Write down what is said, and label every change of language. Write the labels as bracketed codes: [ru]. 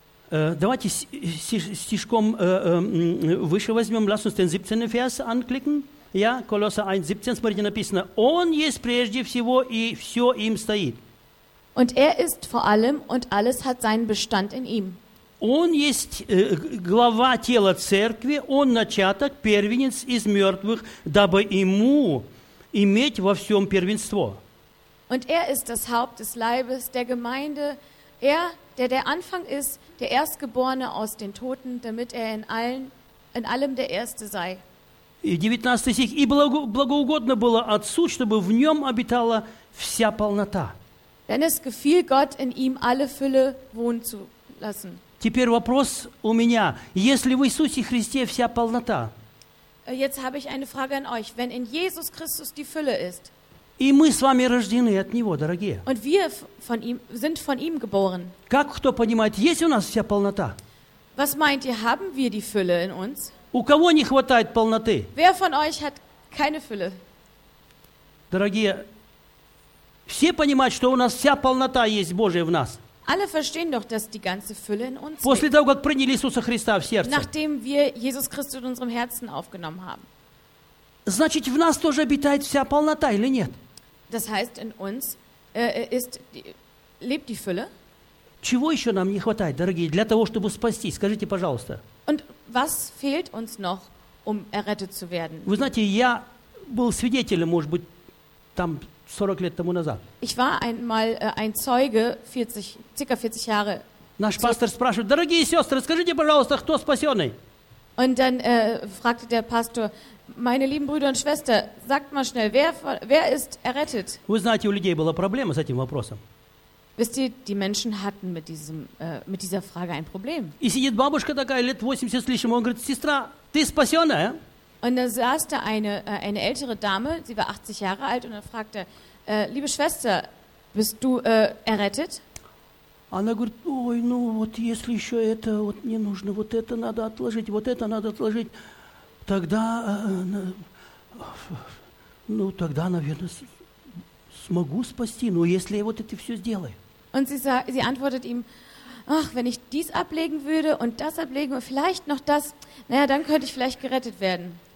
[ru] Давайте стишком выше возьмем. [de] Lass uns den 17. Vers anklicken. Ja, Kolosser 1, 17. [ru] Смотрите, написано. Он есть прежде всего, и все им стоит. [de] Und er ist vor allem, und alles hat seinen Bestand in ihm. [ru] Он есть глава тела церкви, он начаток, первенец из мертвых, дабы ему иметь во всем первенство. [de] Und er ist das Haupt des Leibes, der Gemeinde, der Anfang ist, der Erstgeborene aus den Toten, damit er in allem der Erste sei. [ru] И 19 стих. И благоугодно было Отцу, чтобы в нем обитала вся полнота. [de] Denn es gefiel Gott, in ihm alle Fülle wohnen zu lassen. [ru] Теперь вопрос у меня. Если в Иисусе Христе вся полнота, [de] Jetzt habe ich eine Frage an euch. Wenn in Jesus Christus die Fülle ist, [ru] и мы с вами рождены от Него, дорогие. [de] Und wir von ihm, sind von ihm geboren. [ru] Как кто понимает, есть у нас вся полнота? [de] Was meint ihr, haben wir die Fülle in uns? [ru] У кого не хватает полноты? [de] Wer von euch hat keine Fülle? [ru] Дорогие, все понимают, что у нас вся полнота есть Божия в нас. [de] Alle verstehen doch, dass die ganze Fülle in uns [ru] После того, как приняли Иисуса Христа в сердце. [de] Nachdem wir Jesus Christus in unserem Herzen aufgenommen haben. [ru] Значит, в нас тоже обитает вся полнота или нет? [de] Das heißt, in uns lebt die Fülle. [ru] Чего еще нам не хватает, дорогие, для того, чтобы спастись? Скажите, пожалуйста. [de] Und was fehlt uns noch, um errettet zu werden? [ru] Вы знаете, я был свидетелем, может быть, там 40 лет тому назад. [de] Ich war einmal ein Zeuge, circa 40 Jahre. [ru] Наш пастор спрашивает, дорогие сестры, скажите, пожалуйста, кто спасенный? [de] Und dann fragte der Pastor, meine lieben Brüder und Schwestern, sagt mal schnell, wer ist errettet? [ru] Вы знаете, у людей была проблема с этим вопросом. [de] Wisst ihr, die Menschen hatten mit dieser Frage ein Problem. [ru] И сидит бабушка такая, лет 80 с лишним, он говорит, сестра, ты спасенная? [de] Und da saß da eine ältere Dame, sie war 80 Jahre alt, und er fragte, liebe Schwester, bist du errettet? [ru] Она говорит, ой, ну вот если еще это вот не нужно, вот это надо отложить, вот это надо отложить, тогда, ну тогда, наверное, смогу спасти, но если я вот это все сделаю. [de] Und sie antwortet ihm, ach, wenn ich dies ablegen würde und das ablegen und vielleicht noch das, naja, dann könnte ich vielleicht gerettet werden.